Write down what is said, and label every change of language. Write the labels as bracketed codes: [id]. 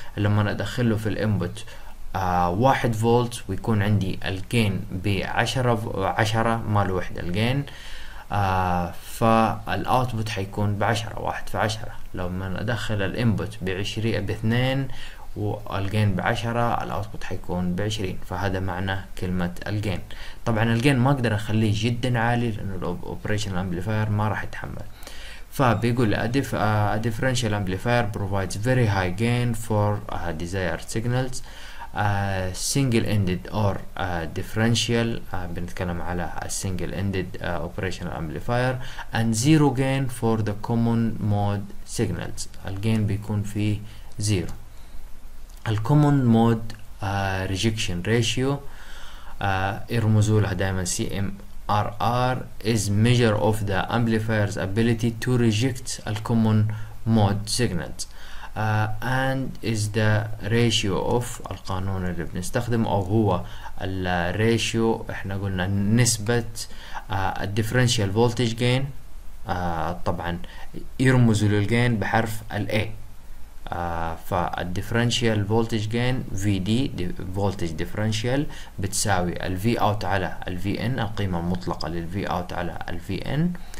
[ar] لما ادخله في الانبوت 1 فولت ويكون عندي الجين ب 10 مال وحدة الجين، فالاوتبوت حيكون بعشرة، 1 في 10. لو من ادخل الانبوت ب2 والجين ب10 الاوتبوت حيكون ب20. فهذا معنى كلمة الجين. طبعا الجين ما اقدر اخليه جدا عالي لانه الاوبريشنال امبليفاير ما راح يتحمل. فبيقول [en] differential amplifier provides very high gain for desired signals. Single ended or differential، [ar] بنتكلم على [en] single ended operational amplifier، and zero gain for the common mode signals، [ar] الجين بيكون في [en] zero. الcommon mode rejection ratio [ar] يرمزوا لها دائما [en] CMRR، is measure of the amplifier's ability to reject common mode signals. And is the ratio of، [ar] القانون اللي بنستخدمه أو هو ال ratio، إحنا قلنا نسبة differential voltage gain، طبعا يرمزوا للجين بحرف ال A، فال differential voltage gain VD voltage differential بتساوي ال V out على ال VN، القيمة المطلقة لل V out على ال VN.